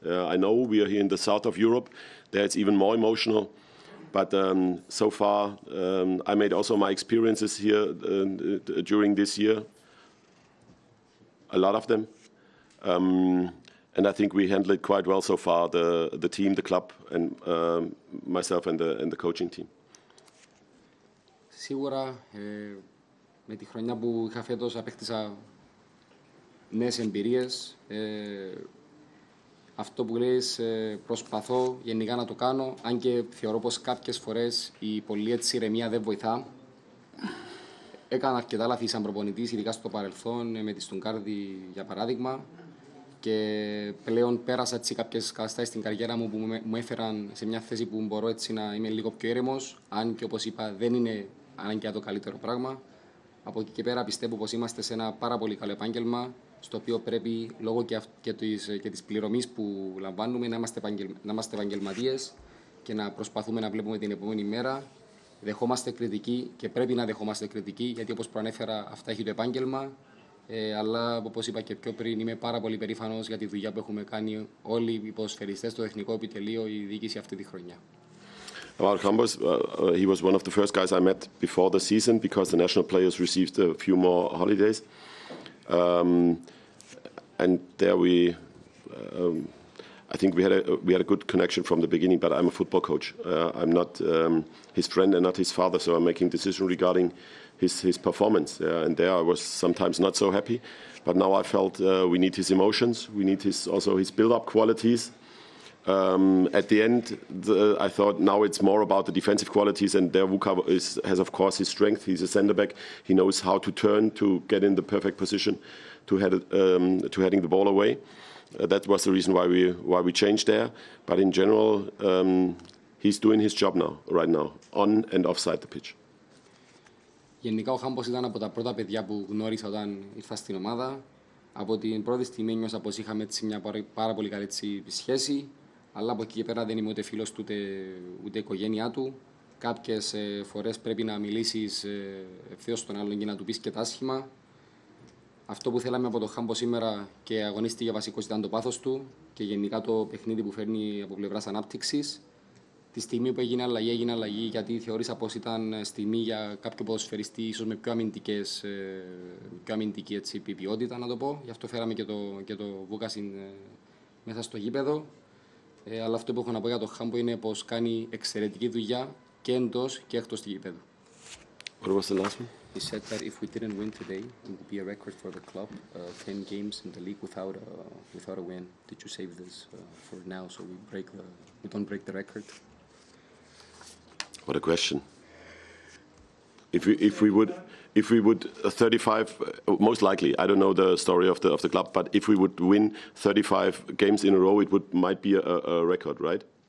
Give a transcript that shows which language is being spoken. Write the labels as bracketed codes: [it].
[en] I know we are here in the south of Europe, there it's even more emotional, but so far I made also my experiences here during this year, a lot of them, and I think we handled it quite well so far, the team, the club, and myself and the coaching team. [el] Σίγουρα με τη χρονιά που είχα φέτος απέκτησα νέες εμπειρίες. Αυτό που λες προσπαθώ γενικά να το κάνω, αν και θεωρώ πως κάποιες φορές η πολύ έτσι ηρεμία δεν βοηθά. Έκανα αρκετά λάθη σαν προπονητής, ειδικά στο παρελθόν με τη Στουγκάρδη για παράδειγμα, και πλέον πέρασα έτσι κάποιες καταστάσεις στην καριέρα μου που μου έφεραν σε μια θέση που μπορώ έτσι να είμαι λίγο πιο ήρεμος, αν και όπως είπα δεν είναι ανάγκη το καλύτερο πράγμα. Από εκεί και πέρα πιστεύω πως είμαστε σε ένα πάρα πολύ καλό επάγγελμα, στο οποίο πρέπει λόγω και της πληρωμής που λαμβάνουμε να είμαστε επαγγελματίες και να προσπαθούμε να βλέπουμε την επόμενη μέρα. Δεχόμαστε κριτική και πρέπει να δεχόμαστε κριτική, γιατί όπως προανέφερα αυτά έχει το επάγγελμα. Αλλά όπως είπα και πιο πριν, είμαι πάρα πολύ περήφανος για τη δουλειά που έχουμε κάνει όλοι οι ποδοσφαιριστές, το τεχνικό επιτελείο, η διοίκηση αυτή τη χρονιά. [en] About Hambers, he was one of the first guys I met before the season because the national players received a few more holidays. And there we, I think we had a good connection from the beginning, but I'm a football coach. I'm not his friend and not his father, so I'm making decisions regarding his performance. And there I was sometimes not so happy, but now I felt we need his emotions, we need his also his build-up qualities. At the end, I thought now it's more about the defensive qualities, and there Vuka has, of course, his strength. He's a centre back. He knows how to turn to get in the perfect position to head to heading the ball away. That was the reason why we changed there. But in general, he's doing his job now, right now, on and offside the pitch. [el] Γενικά ο Χάμπος ήταν από τα πρώτα παιδιά που γνώρισα όταν ήρθα στην ομάδα. Από την πρώτη στιγμή νιώσα πως είχαμε μια πάρα πολύ καλή σχέση. Αλλά από εκεί και πέρα δεν είμαι ούτε φίλος του ούτε οικογένειά του. Κάποιες φορές πρέπει να μιλήσεις ευθέως στον άλλον για να του πεις και τα άσχημα. Αυτό που θέλαμε από τον Χάμπο σήμερα και αγωνίστηκε βασικός ήταν το πάθος του και γενικά το παιχνίδι που φέρνει από πλευράς ανάπτυξης. Τη στιγμή που έγινε αλλαγή γιατί θεώρησα πως ήταν στιγμή για κάποιο ποδοσφαιριστή ίσως με πιο αμυντική ποιότητα, να το πω. Γι' αυτό φέραμε και το Βούκα μέσα στο γήπεδο. Αλλά αυτό που έχω να πω για τον Χάμπο είναι πως κάνει εξαιρετική δουλειά και εντός και εκτός του γηπέδου. [en] What was the last one? He said that if we didn't win today, it would be a record for the club. 10 games in the league without a win. Did you save this for now so we don't break the record? What a question. If we would 35, most likely, I don't know the story of the club, but if we would win 35 games in a row, it would might be a record, right?